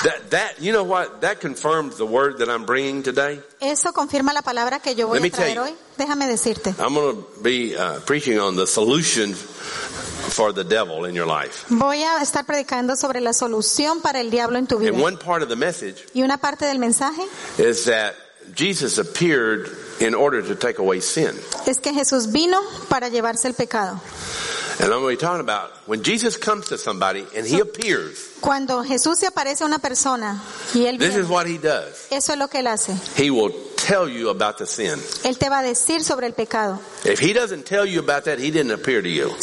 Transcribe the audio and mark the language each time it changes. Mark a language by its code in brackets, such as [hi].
[en] That you know what? That confirms the word that I'm bringing today. [es] Eso confirma la palabra que yo voy [en] Let [es] a traer [en] you, [es] hoy. Déjame decirte. [en] I'm going to be preaching on the solution for the devil in your life. [es] Voy a estar predicando sobre la solución para el diablo en tu vida. [en] And one part of the message. [es] Y una parte del mensaje. [en] Is that Jesus appeared in order to take away sin. [es] Es que Jesús vino para llevarse el pecado. [en] And I'm going to be talking about when Jesus comes to somebody and he appears. [es] Cuando Jesús se aparece a una persona y él viene. [en] This is what he does. [es] Eso es lo que él hace. [en] He will tell you about the sin. [es] Él te va a decir sobre el pecado. [en] If he doesn't tell you about that, he didn't appear to you.